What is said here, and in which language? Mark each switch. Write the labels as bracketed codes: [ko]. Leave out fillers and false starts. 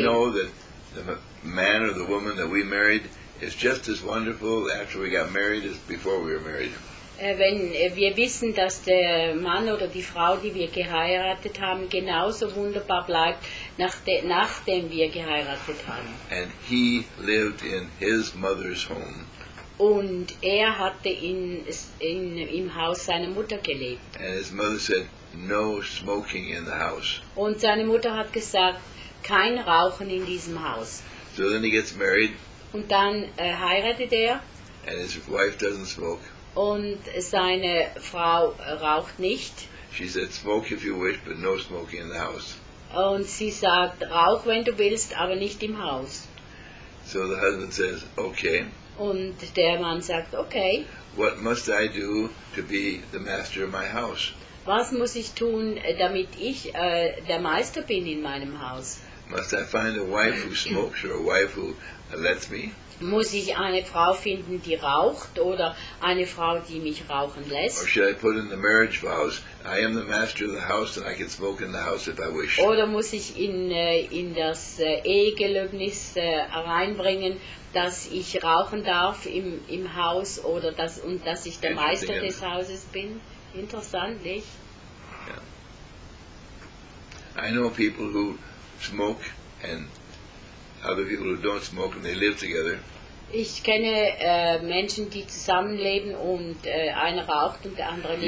[en] But we know that the man or the woman that we married is just as wonderful after we got married as before we were married. [de] Wenn wir wissen, dass der Mann oder die Frau, die wir geheiratet haben, genauso wunderbar bleibt, nachdem wir geheiratet haben. [en] And he lived in his mother's home. [de] Und er hatte im Haus seiner Mutter gelebt. [en] And his mother said, no smoking in the house. [de] Und seine Mutter hat gesagt, kein Rauchen in diesem Haus. [en] So then he gets married. [de] Und dann heiratet er. [en] And his wife doesn't smoke. [de] Und seine Frau raucht nicht. [en] She said, smoke if you wish, but no smoking in the house. [de] Und sie sagt, rauch wenn du willst, aber nicht im Haus. [en] So the husband says, okay. [de] Und der Mann sagt, okay. [en] What must I do to be the master of my house? [de] Was muss ich tun, damit ich der Meister bin in meinem Haus? [en] Must I find a wife who smokes or a wife who lets me? [de] Muss ich eine Frau finden, die raucht, oder eine Frau, die mich rauchen lässt? [en] Or should I put in the marriage vows, I am the master of the house and I can smoke in the house if I wish? [de] Oder muss ich in das Ehegelöbnis reinbringen, dass ich rauchen darf im Haus oder das, und dass ich der Meister des Hauses bin? Interessant, nicht? [en] Yeah. I know people who smoke and other people who don't smoke and they live together. [de] Ich kenne Menschen, die zusammenleben und einer raucht und der andere nicht.